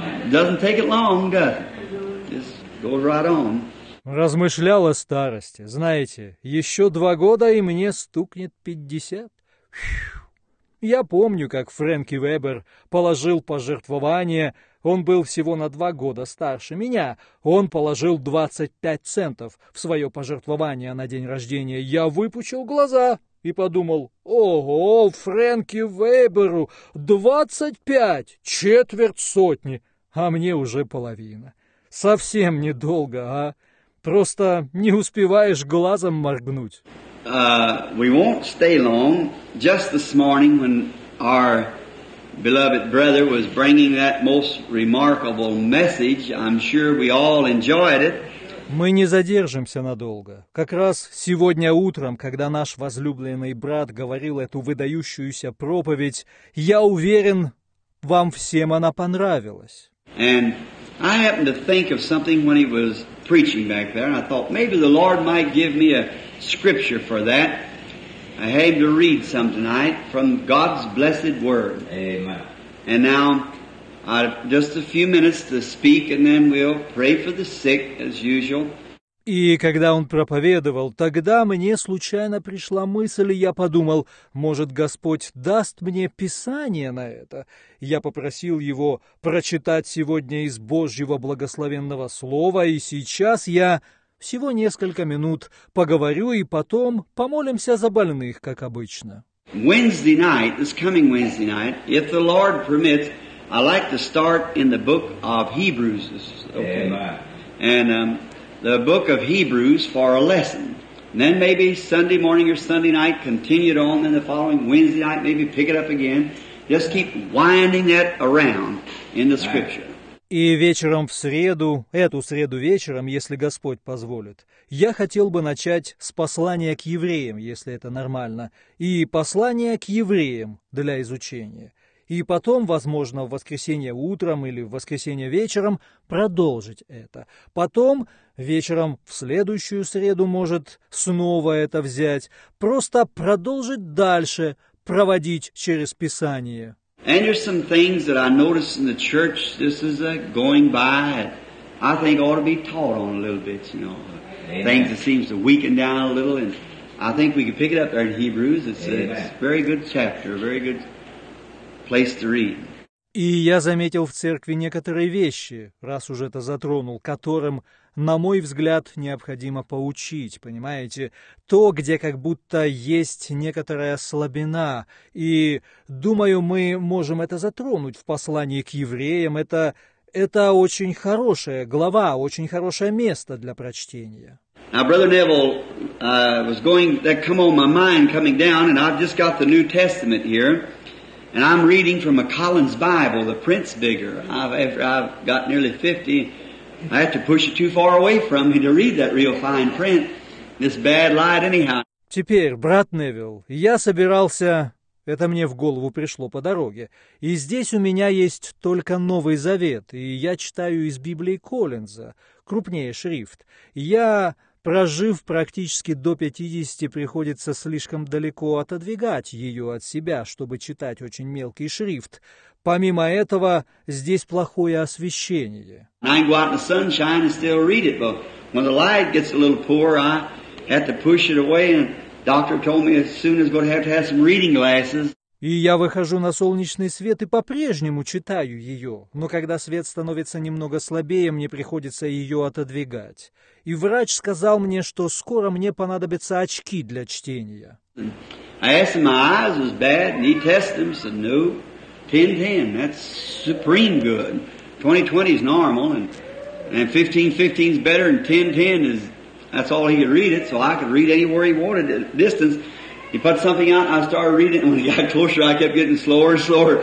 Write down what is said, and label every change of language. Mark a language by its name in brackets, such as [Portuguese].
[English] Doesn't take it long, does it? Just goes right on. [Russian] Размышлял о старости. Знаете, еще 2 года, и мне стукнет 50. Я помню, как Фрэнки Вебер положил пожертвование. Он был всего на 2 года старше меня. Он положил 25 центов в свое пожертвование на день рождения. Я выпучил глаза и подумал, ого, Фрэнки Веберу 25, четверть сотни, а мне уже половина. Совсем недолго, а? Просто не успеваешь глазом моргнуть. [English] We won't stay long. Just this morning when our beloved brother was bringing that most remarkable message, I'm sure we all enjoyed it. [Russian] Мы не задержимся надолго. Как раз сегодня утром, когда наш возлюбленный брат говорил эту выдающуюся проповедь, я уверен, вам всем она понравилась. [English] And I happened to think of something when he was preaching back there, and I thought maybe the Lord might give me a scripture for that. I had to read some tonight from God's blessed word. Amen. And now just a few minutes to speak, and then we'll pray for the sick as usual. [Russian] И когда он проповедовал, тогда мне случайно пришла мысль, и я подумал, может, Господь даст мне Писание на это. Я попросил его прочитать сегодня из Божьего благословенного слова, и сейчас я Всего несколько минут поговорю и потом помолимся за больных, как обычно. [English] Wednesday night, this coming Wednesday night, if the Lord permits, I'd like to start in the book of Hebrews. Okay. Amen. And the book of Hebrews for a lesson. And then maybe Sunday morning or Sunday night, continue it on. Then the following Wednesday night, maybe pick it up again. Just keep winding that around in the Scripture. [Russian] И вечером в среду, эту среду вечером, если Господь позволит, я хотел бы начать с послания к евреям, если это нормально, и послания к евреям для изучения. И потом, возможно, в воскресенье утром или в воскресенье вечером продолжить это. Потом, вечером в следующую среду, может, снова это взять, просто продолжить дальше, проводить через Писание. [English] And there's some things that I noticed in the church, this is going by, I think ought to be taught on a little bit, you know. Amen. Things that seems to weaken down a little, and I think we can pick it up there in Hebrews. It's a very good chapter, a very good place to read. [Russian] И я заметил в церкви некоторые вещи, раз уж это затронул, которым, на мой взгляд, необходимо поучить, понимаете? То, где как будто есть некоторая слабина. И, думаю, мы можем это затронуть в послании к евреям. Это очень хорошая глава, очень хорошее место для прочтения. [English] Now, Brother Neville, was going, that come on my mind coming down, and I've just got the New Testament here. And I'm reading from a Collins Bible, the Prince Bigger. I've got nearly 50. I have to push it too far away from me to read that real fine print. This bad light anyhow. [Russian] Теперь, брат Невилл, я собирался... Это мне в голову пришло по дороге. И здесь у меня есть только Новый Завет, и я читаю из Библии Коллинза, крупнее шрифт. Я... Прожив практически до 50, приходится слишком далеко отодвигать ее от себя, чтобы читать очень мелкий шрифт. Помимо этого, здесь плохое освещение. [English] I go out in the sunshine and still read it, but when the light gets a little poor, I have to push it away, and the doctor told me as soon as going to have some reading glasses. [Russian] И я выхожу на солнечный свет и по-прежнему читаю ее, но когда свет становится немного слабее, мне приходится ее отодвигать. И врач сказал мне, что скоро мне понадобятся очки для чтения. [English] I asked him, my eyes was bad, and he tested them, said, no, 10-10, that's supreme good. 20-20 is normal, and 15-15 is better, and 10-10 is, that's all he could read it, so I could read anywhere he wanted at distance. He put something out, and I started reading it, and when it got closer, I kept getting slower and slower.